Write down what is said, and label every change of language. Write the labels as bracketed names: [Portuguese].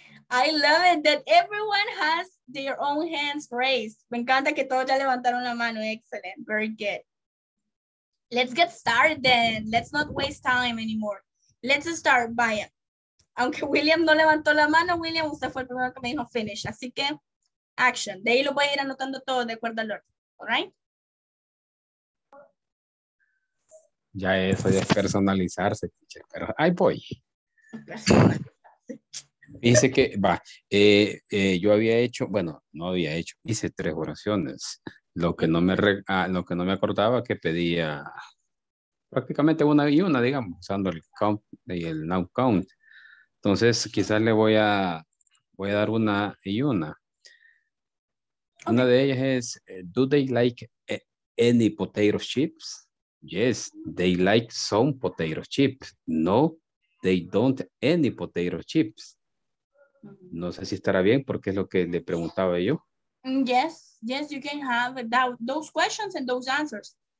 [English] I love it that everyone has their own hands raised. [Spanish] Me encanta que todos ya levantaron la mano. [English] Excellent. Very good. Let's get started then. Let's not waste time anymore. Let's start by it. [Spanish] Aunque William no levantó la mano, William, usted fue el primero que me dijo finish. Así que, action. De ahí lo voy a ir anotando todo de acuerdo al orden. [English] All right? [Spanish] Ya eso ya es personalizarse, pero ahí voy. Dice que va, yo había hecho, bueno, no había hecho, hice 3 oraciones. Lo que no me acordaba que pedía prácticamente una y una, digamos, usando el count y el now count. Entonces, quizás le voy a dar una y una. [English] Okay. [Spanish] Una de ellas es, [English] do they like any potato chips? Yes, they like some potato chips. No, they don't any potato chips. [Spanish] No sé si estará bien porque es lo que le preguntaba yo. [English] Yes, yes, you can have those questions and those answers.